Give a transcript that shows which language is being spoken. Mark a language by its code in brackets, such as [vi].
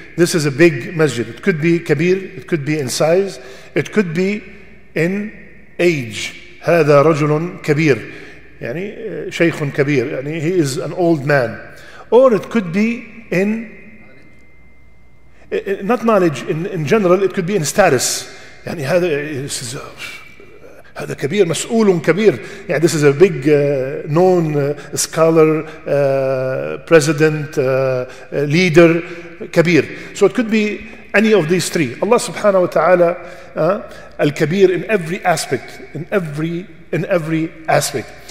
[en] This is a big masjid. It could be كبير, it could be in size, it could be in age. [ar] هذا رجل كبير. يعني شيخ كبير. [en] يعني he is an old man. Or it could be in knowledge. Not knowledge, in general, it could be in status. [ar] يعني هذا, [en] this is [ar] هذا كبير مسؤول كبير. [en] Yeah, this is a big known scholar, president, leader, كبير. So it could be any of these three. Allah subhanahu wa ta'ala, al-kabir in every aspect, in every aspect.